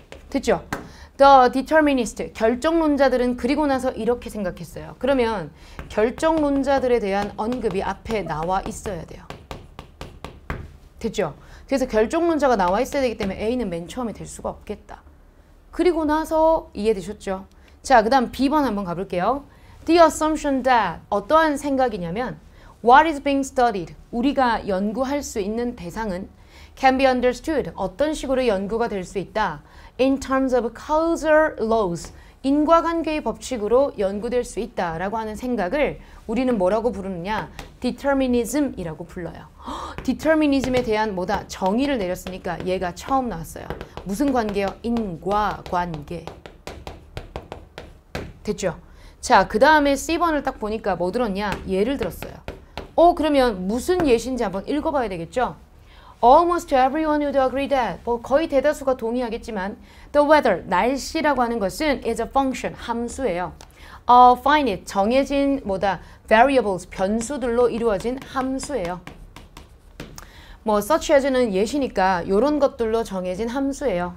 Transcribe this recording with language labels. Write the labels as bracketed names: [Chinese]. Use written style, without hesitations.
[Korean] 됐죠? [English] The determinist, [Korean] 결정론자들은 그리고 나서 이렇게 생각했어요. 그러면 결정론자들에 대한 언급이 앞에 나와 있어야 돼요. 됐죠? 그래서 결정론자가 나와 있어야 되기 때문에 A는 맨 처음에 될 수가 없겠다. 그리고 나서 이해되셨죠? 자, 그 다음 B번 한번 가볼게요. [English] The assumption that [Korean] 어떠한 생각이냐면 [English] What is being studied? [Korean] 우리가 연구할 수 있는 대상은 [English] Can be understood. [Korean] 어떤 식으로 연구가 될수 있다. [English] In terms of causal laws. [Korean] 인과관계의 법칙으로 연구될 수 있다라고 하는 생각을 우리는 뭐라고 부르느냐? determinism이라고 불러요. determinism에 대한 뭐다? 정의를 내렸으니까 얘가 처음 나왔어요. 무슨 관계요? 인과 관계. 됐죠? 자, 그 다음에 C번을 딱 보니까 뭐 들었냐? 예를 들었어요. 그러면 무슨 예시인지 한번 읽어봐야 되겠죠? [English] Almost everyone would agree that. [Korean] 뭐 거의 대다수가 동의하겠지만, [English] the weather, [Korean] 날씨라고 하는 것은 [English] is a function, [Korean] 함수예요. Finite, 정해진 뭐다? variables, 변수들로 이루어진 함수예요. 뭐 such as는 예시니까 이런 것들로 정해진 함수예요.